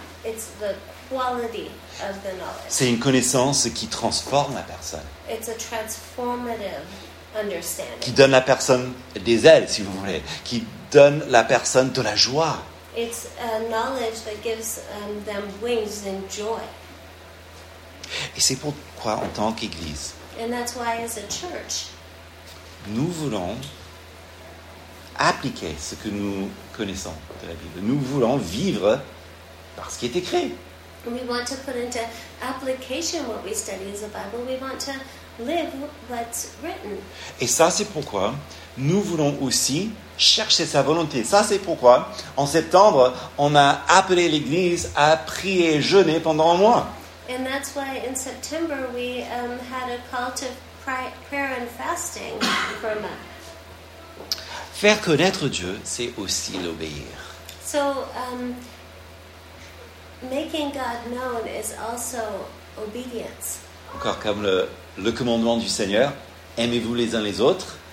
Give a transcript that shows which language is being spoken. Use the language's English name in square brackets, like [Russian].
[English] It's the quality of the knowledge. [French] C'est une connaissance qui transforme la personne. [English] It's a transformative understanding. [French] Qui donne la personne des ailes, si vous voulez. Qui donne la personne de la joie. [English] It's a knowledge that gives them wings and joy. [French] Et c'est pourquoi en tant qu'église, [English] and that's why as a church, [French] nous voulons appliquer ce que nous connaissons de la Bible. Nous voulons vivre par ce qui est écrit. [English] We want to put into application what we study in the Bible. We want to live what's written. [French] Et ça, c'est pourquoi nous voulons aussi chercher sa volonté. Ça, c'est pourquoi, en septembre, on a appelé l'Église à prier et jeûner pendant un mois. [English] And that's why in September we had a call to prayer and fasting for a month. [French] Faire connaître Dieu, c'est aussi l'obéir. [English] So, making God known is also obedience. [French] Encore comme le commandement du Seigneur, aimez-vous les uns les autres.